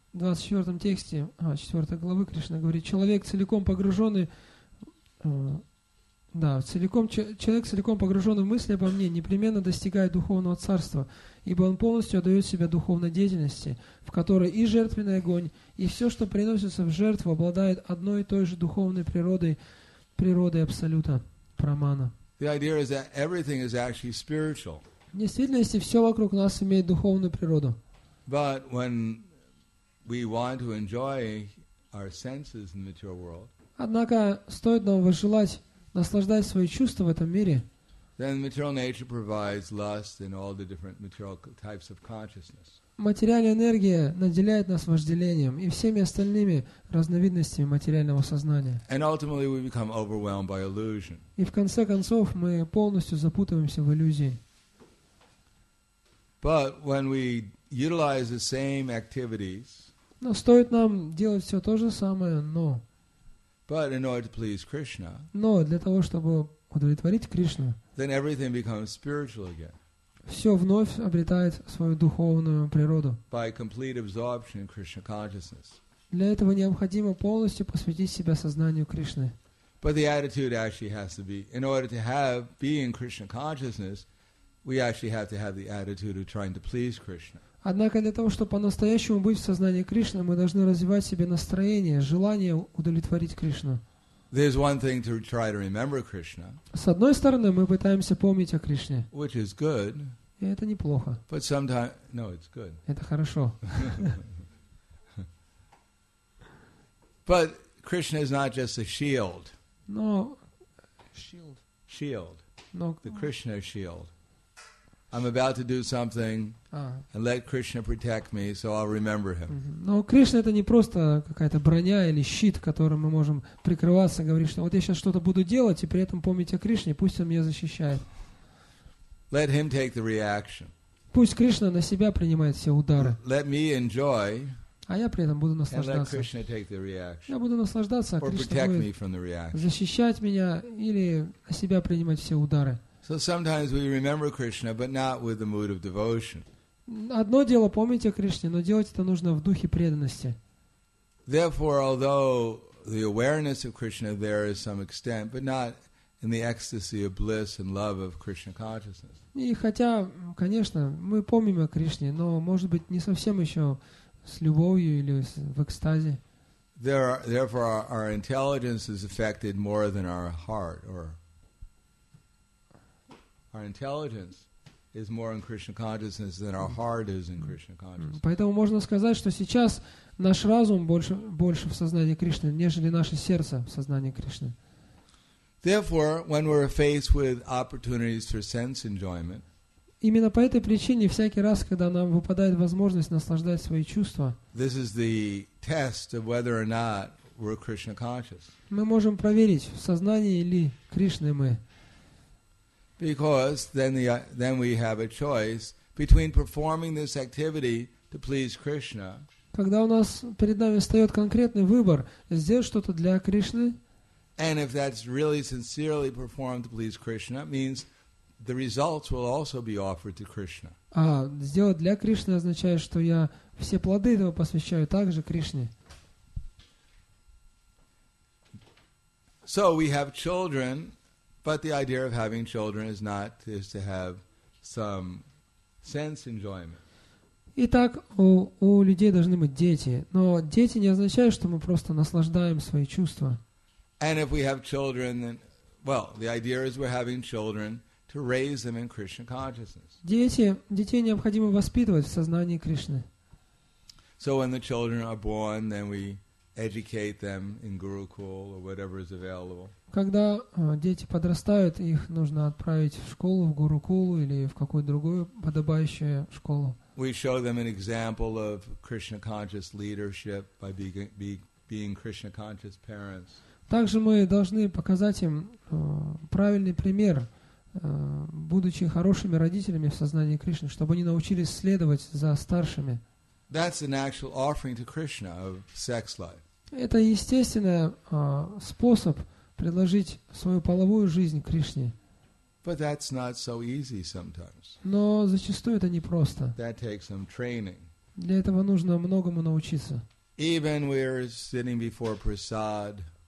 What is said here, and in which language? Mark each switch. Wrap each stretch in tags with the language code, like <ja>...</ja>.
<ru>В 24 тексте, 4 главы Кришна говорит, человек целиком погруженный, человек целиком погруженный в мысли обо мне, непременно достигает духовного царства, ибо он полностью отдает себя духовной деятельности, в которой и жертвенный огонь, и все, что приносится в жертву, обладает одной и той же духовной природой, природой абсолюта, Брахмана.</ru> <en>The idea is that everything is actually spiritual.</en> <ru>В действительности все вокруг нас имеет духовную природу.</ru> <en>But when we want to enjoy our senses in the material world,</en> <ru>однако стоит нам желать наслаждать свои чувства в этом мире,</ru> <en>then material nature provides lust in all the different material types of consciousness.</en> <ru>Материальная энергия наделяет нас вожделением и всеми остальными разновидностями материального сознания.</ru> <en>And ultimately we become overwhelmed by illusion.</en> <ru>И в конце концов мы полностью запутываемся в иллюзии.</ru> <en>But when we utilize the same activities,</en> <ru>но стоит нам делать все то же самое, но.</ru> <en>But in order to please Krishna,</en> <ru>но для того, чтобы удовлетворить Кришну,</ru> <en>then everything becomes spiritual again.</en> <ru>Все вновь обретает свою духовную природу.</ru> <en>By complete absorption in Krishna consciousness.</en> <ru>Для этого необходимо полностью посвятить себя сознанию Кришны.</ru> <en>But the attitude actually has to be, in order to have be in Krishna consciousness. We actually have to have the attitude of trying to please Krishna.</en> <ru>Однако для того, чтобы по-настоящему быть в сознании Кришны, мы должны развивать в себе настроение, желание удовлетворить Кришну.</ru> <en>There's one thing to try to remember Krishna.</en> <ru>С одной стороны, мы пытаемся помнить о Кришне.</ru> <en>Which is good.</en> <ru>И это неплохо.</ru> <en>But sometimes, no, it's good.</en> <ru>Это хорошо.</ru> <en>But Krishna is not just a shield.</en> <ru>Но</ru> <en>shield. Shield.</en> <ru>Но</ru> <en>the Krishna shield. I'm about to do something and let Krishna protect me, so I'll remember him.</en> <ru>Но Кришна это не просто какая-то броня или щит, которым мы можем прикрываться, говорить, что вот я сейчас что-то буду делать, и при этом помнить о Кришне, пусть он меня защищает.</ru> <en>Let him take the reaction.</en> <ru>Пусть Кришна на себя принимает все удары.</ru> <en>Let me enjoy.</en> <ru>А я при этом буду наслаждаться.</ru> <en>And let Krishna take the reaction.</en> <ru>Я буду наслаждаться, а Кришна</ru> <en>protect me from the reaction.</en> <ru>Защищать меня или на себя принимать все удары.</ru> <en>So sometimes we remember Krishna, but not with the mood of devotion.</en> <ru>Одно дело помнить о Кришне, но делать это нужно в духе преданности.</ru> <en>Therefore, although the awareness of Krishna there is some extent, but not in the ecstasy of bliss and love of Krishna consciousness.</en> <ru>И хотя, конечно, мы помним о Кришне, но может быть не совсем еще с любовью или в экстазе.</ru> <en>Therefore, our intelligence is affected more than our heart or. Our intelligence is more in Krishna consciousness than our heart is in Krishna consciousness.</en> <ru>Поэтому можно сказать, что сейчас наш разум больше в сознании Кришны, нежели наше сердце в сознании Кришны.</ru> <en>Therefore, when we're faced with opportunities for sense enjoyment,</en> <ru>именно по этой причине всякий раз, когда нам выпадает возможность наслаждать свои чувства,</ru> <en>this is the test of whether or not we're Krishna conscious.</en> <ru>Мы можем проверить, в сознании ли Кришны мы.</ru> <en>Because then we have a choice between performing this activity to please Krishna.</en> <ru>когда у нас перед нами встает конкретный выбор сделать что-то для Кришны.</ru> <en>And if that's really sincerely performed to please Krishna, it means the results will also be offered to Krishna.</en> <ru>А сделать для Кришны означает, что я все плоды этого посвящаю также Кришне.</ru> <en>So we have children, but the idea of having children is not is to have some sense enjoyment.</en> <ru>Итак, у людей должны быть дети, но дети не означают, что мы просто наслаждаем свои чувства.</ru> <en>And if we have children, then, well, the idea is we're having children to raise them in Krishna consciousness.</en> <ru>Детей необходимо воспитывать в сознании Кришны.</ru> <en>So when the children are born, then we educate them in Gurukul or whatever is available.</en> <ru>Когда дети подрастают, их нужно отправить в школу, в Гурукулу или в какую-то другую подобающую школу.</ru> <en>We show them an example of Krishna conscious leadership by being Krishna conscious parents.</en> <ru>Также мы должны показать им правильный пример, будучи хорошими родителями в сознании Кришны, чтобы они научились следовать за старшими.</ru> <en>That's an actual offering to Krishna of sex life.</en> <ru>Это естественный способ предложить свою половую жизнь Кришне.</ru> <en>But that's not so easy sometimes.</en> <ru>Но зачастую это непросто.</ru> <en>That takes some training.</en> <ru>Для этого нужно многому научиться.</ru> <en>Even we're sitting before prasad.</en>